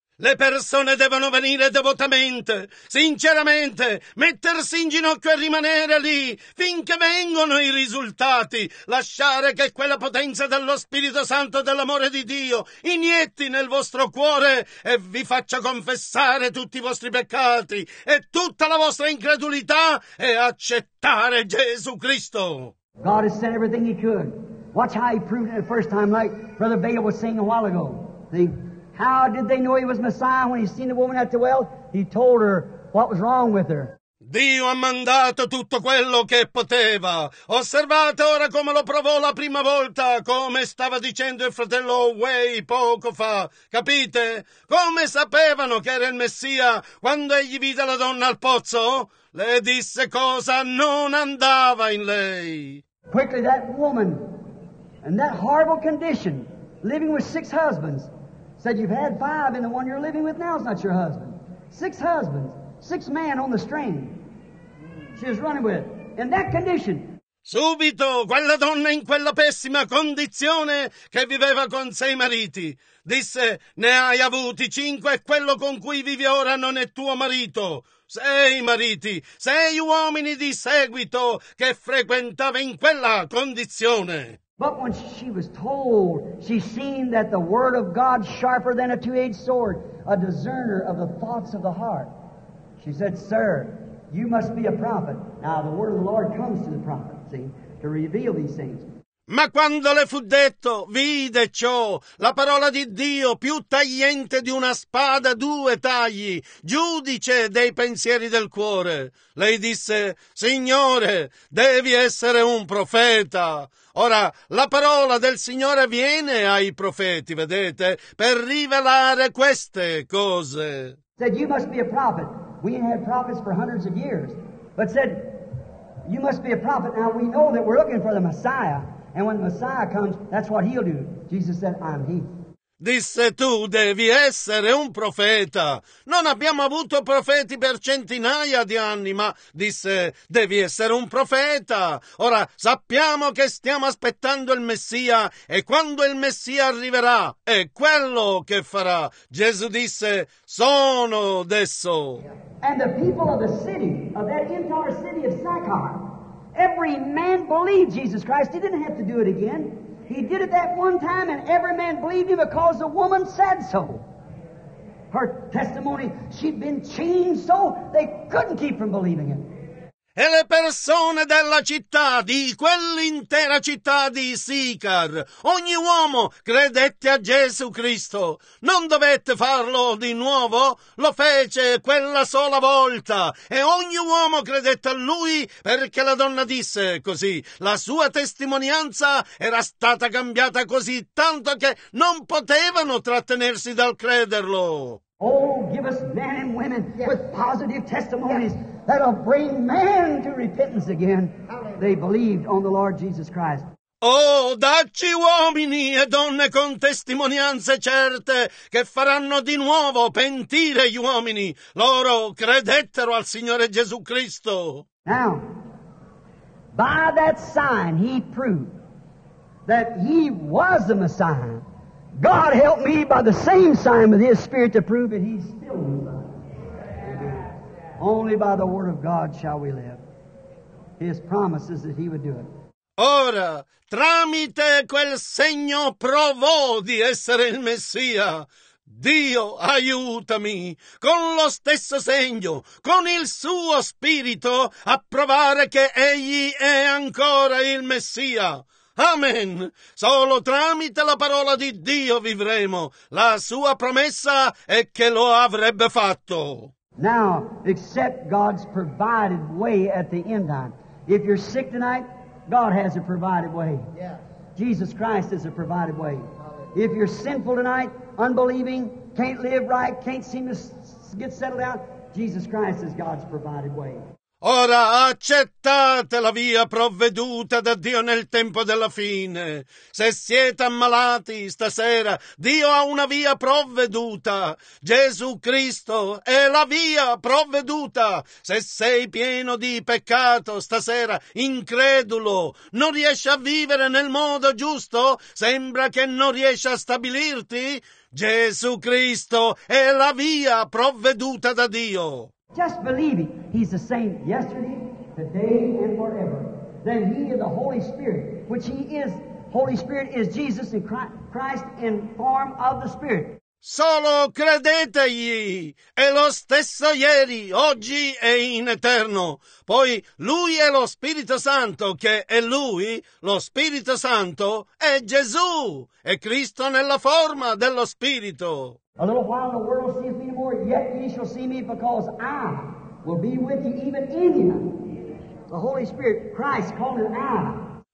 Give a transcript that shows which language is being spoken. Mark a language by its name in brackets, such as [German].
[Italian] Le persone devono venire devotamente, sinceramente, mettersi in ginocchio e rimanere lì finché vengono i risultati, lasciare che quella potenza dello Spirito Santo e dell'amore di Dio inietti nel vostro cuore e vi faccia confessare tutti i vostri peccati e tutta la vostra incredulità e accettare Gesù Cristo. [English] God has said everything he could. Watch how he proved it the first time, like Brother Bale was saying a while ago. See? How did they know he was Messiah when he seen the woman at the well? He told her what was wrong with her. [Italian] Dio ha mandato tutto quello che poteva. Osservate ora come lo provò la prima volta, come stava dicendo il fratello Way poco fa. Capite? Come sapevano che era il Messia quando egli vide la donna al pozzo? Le disse cosa non andava in lei. [English] Quickly, that woman, in that horrible condition, living with six husbands, said, you've had five, and the one you're living with now is not your husband. Six husbands, six men on the string. She was running with, in that condition. [Italian] Subito, quella donna in quella pessima condizione che viveva con sei mariti, disse, ne hai avuti cinque e quello con cui vivi ora non è tuo marito. Sei mariti, sei uomini di seguito che frequentava in quella condizione. [English] But when she was told, she seen that the word of God sharper than a two-edged sword, a discerner of the thoughts of the heart. She said, sir, you must be a prophet. Now the word of the Lord comes to the prophet, see, to reveal these things. [Italian] Ma quando le fu detto, vide ciò, la parola di Dio più tagliente di una spada, due tagli, giudice dei pensieri del cuore. Lei disse, Signore, devi essere un profeta. Ora, la parola del Signore viene ai profeti, vedete, per rivelare queste cose. [English] Said, you must be a prophet. We ain't had prophets for hundreds of years. But said, you must be a prophet. Now we know that we're looking for the Messiah. And when the Messiah comes, that's what he'll do. Jesus said, I'm he. [Italian] Disse, tu devi essere un profeta. Non abbiamo avuto profeti per centinaia di anni, ma disse, devi essere un profeta. Ora, sappiamo che stiamo aspettando il Messia e quando il Messia arriverà, è quello che farà. Gesù disse, sono adesso. [English] And the people of the city, of that entire city of Sychar, every man believed Jesus Christ. He didn't have to do it again. He did it that one time, and every man believed him because the woman said so. Her testimony, she'd been changed so they couldn't keep from believing him. [Italian] E le persone della città, di quell'intera città di Sicar, ogni uomo credette a Gesù Cristo. Non dovette farlo di nuovo, lo fece quella sola volta. E ogni uomo credette a lui perché la donna disse così. La sua testimonianza era stata cambiata così tanto che non potevano trattenersi dal crederlo. [English] Oh, give us men and women with positive testimonies. That'll bring man to repentance again. They believed on the Lord Jesus Christ. [Italian] Oh, dacci uomini e donne con testimonianze certe che faranno di nuovo pentire gli uomini. Loro credettero al Signore Gesù Cristo. [English] Now, by that sign he proved that he was the Messiah. God help me by the same sign with his spirit to prove that he's still the Messiah. Only by the word of God shall we live. His promises that he would do it. [Italian] Ora, tramite quel segno provò di essere il Messia. Dio, aiutami, con lo stesso segno, con il suo spirito, a provare che egli è ancora il Messia. Amen. Solo tramite la parola di Dio vivremo. La sua promessa è che lo avrebbe fatto. [English] Now, accept God's provided way at the end time. If you're sick tonight, God has a provided way. Yes. Jesus Christ is a provided way. If you're sinful tonight, unbelieving, can't live right, can't seem to get settled out, Jesus Christ is God's provided way. [Italian] Ora accettate la via provveduta da Dio nel tempo della fine. Se siete ammalati stasera, Dio ha una via provveduta. Gesù Cristo è la via provveduta. Se sei pieno di peccato stasera, incredulo, non riesci a vivere nel modo giusto, sembra che non riesci a stabilirti, Gesù Cristo è la via provveduta da Dio. [English] Just believe it. He's the same yesterday, today, and forever. Then he is the Holy Spirit, which he is. Holy Spirit is Jesus in Christ in form of the Spirit. [Italian] Solo credetegli, è lo stesso ieri, oggi e in eterno. Poi lui è lo Spirito Santo, che è lui, lo Spirito Santo, è Gesù, è Cristo nella forma dello Spirito. [English] A little while the world seeth me more, yet ye shall see me, because I will be with you even in you. The Holy Spirit, Christ, called it now.